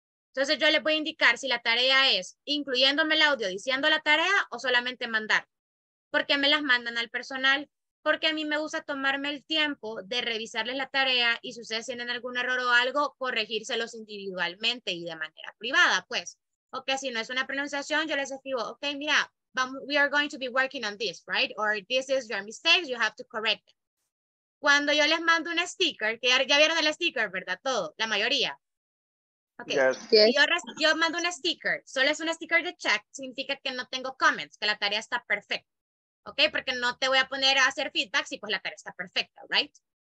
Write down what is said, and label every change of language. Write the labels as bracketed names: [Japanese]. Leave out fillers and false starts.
[Spanish] Entonces yo les voy a indicar si la tarea es incluyéndome el audio, diciendo la tarea o solamente mandar. ¿Por qué me las mandan al personal? Porque a mí me gusta tomarme el tiempo de revisarles la tarea y si ustedes tienen algún error o algo, corregírselos individualmente y de manera privada, pues. O que si no es una pronunciación, yo les escribo, ok, mira, [English] we are going to be working on this, right? Or this is your mistake, you have to correct it. [Spanish] Cuando yo les mando un sticker, que ya vieron el sticker, ¿verdad? Todo, la mayoría. Okay. [English] Yes. [Spanish] Yo mando un sticker, solo es un sticker de check, significa que no tengo comments, que la tarea está perfecta. Okay, porque no te voy a poner a hacer feedback si pues la tarea está perfecta, right?